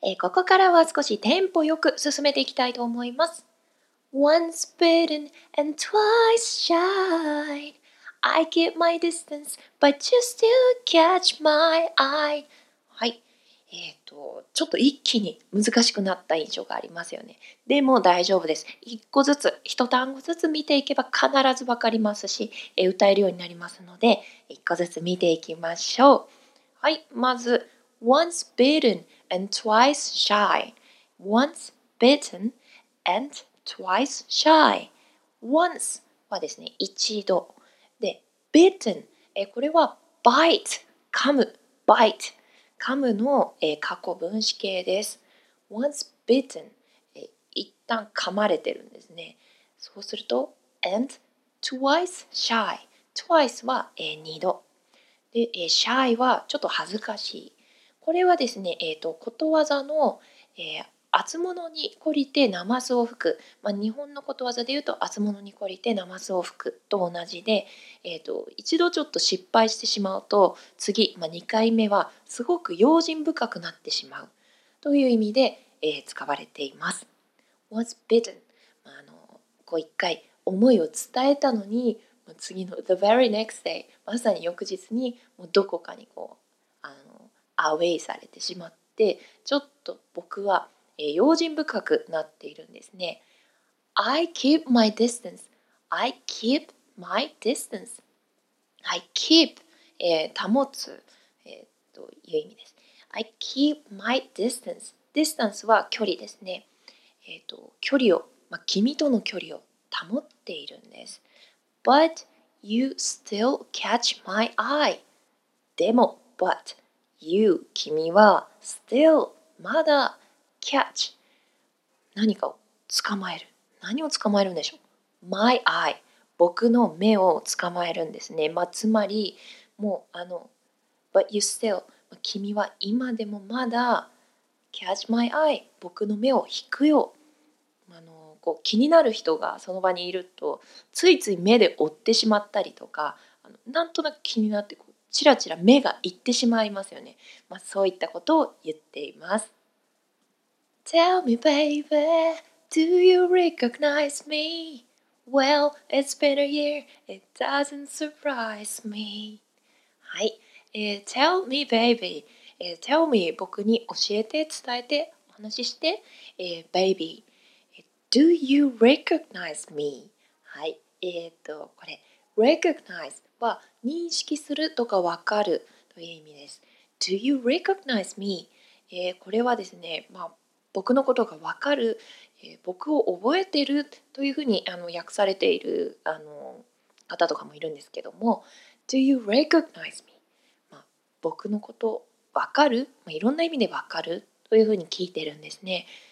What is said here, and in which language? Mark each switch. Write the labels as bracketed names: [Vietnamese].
[Japanese] ここからは少しテンポよく進めていきたいと思います。 [English] Once bitten and twice shy, I keep my distance, but you still catch my eye. [Japanese] はい、ちょっと一気に難しくなった印象がありますよね。でも大丈夫です。一個ずつ、一単語ずつ見ていけば必ずわかりますし、歌えるようになりますので、一個ずつ見ていきましょう。はい、まず、 [English] Once bitten and twice shy. Once bitten and twice shy. [Japanese] Once はですね、一度。で、bitten、これは bite、噛む、bite、噛むの、過去分詞形です。 [English] Once bitten、 [Japanese] 一旦噛まれてるんですね。そうすると、and twice shy。 twice は、二度。で、shy はちょっと恥ずかしい。これはですね、ことわざの、厚物に懲りてナマスを吹く。まあ、日本のことわざで言うと、厚物に懲りてナマスを吹くと同じで、一度ちょっと失敗してしまうと、次、まあ、2回目はすごく用心深くなってしまうという意味で、使われています。 [English] Was bitten、 [Japanese] まあ、こう一回思いを伝えたのに、次の [English] The very next day、 [Japanese] まさに翌日にもうどこかにこう、アウェイされてしまって、ちょっと僕は、用心深くなっているんですね。 [English] I keep my distance. I keep my distance. I keep、 [Japanese] 保つ、という意味です。 [English] I keep my distance. Distance [Japanese] は距離ですね。距離を、まあ、君との距離を保っているんです。 [English] But you still catch my eye. [Japanese] でも、but. You, 君は still, まだ catch 何かを捕まえる。何を捕まえるんでしょう。 [English] My eye, [Japanese] 僕の目を捕まえるんですね。まあ、つまり、もう [English] But you still, [Japanese] 君は今でもまだ [English] catch my eye, [Japanese] 僕の目を引くよ。こう気になる人がその場にいると、ついつい目で追ってしまったりとか、なんとなく気になってこう、チラチラ目が行ってしまいますよね。まあ、そういったことを言っています。 [English] Tell me, baby, do you recognize me? Well, it's been a year, it doesn't surprise me. [Japanese] はい。 [English] Tell me, baby. Tell me, [Japanese] 僕に教えて、伝えて、お話しして。 [English] Baby, do you recognize me? [Japanese] はい。これ、recognize は、認識するとかわかるという意味です。 [English] Do you recognize me?、 [Japanese] これはですね、まあ、僕のことがわかる、僕を覚えてるというふうに訳されている方とかもいるんですけども、Do you recognize me?、まあ、僕のことわかる、まあ、いろんな意味でわかるというふうに聞いてるんですね。